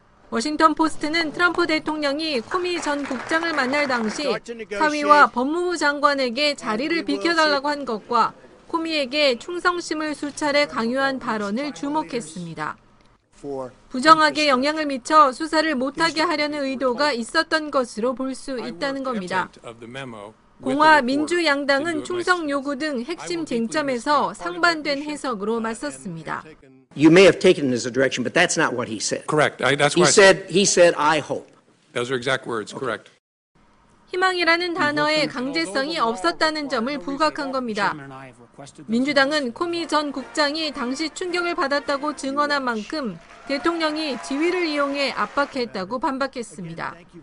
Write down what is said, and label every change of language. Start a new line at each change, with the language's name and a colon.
Korean: 워싱턴포스트는 트럼프 대통령이 코미 전 국장을 만날 당시 하위와 법무부 장관에게 자리를 비켜달라고 한 것과 코미에게 충성심을 수차례 강요한 발언을 주목했습니다. 부정하게 영향을 미쳐 수사를 못하게 하려는 의도가 있었던 것으로 볼 수 있다는 겁니다. 공화 민주 양당은 충성 요구 등 핵심 쟁점에서 상반된 해석으로 맞섰습니다.
English: You may have taken this direction, but that's not what he said. Correct. That's what he said. He said, "I hope." Those are exact words. Correct.
Korean: 희망이라는 단어에 강제성이 없었다는 점을 부각한 겁니다. 민주당은 코미 전 국장이 당시 충격을 받았다고 증언한 만큼 대통령이 지위를 이용해 압박했다고 반박했습니다.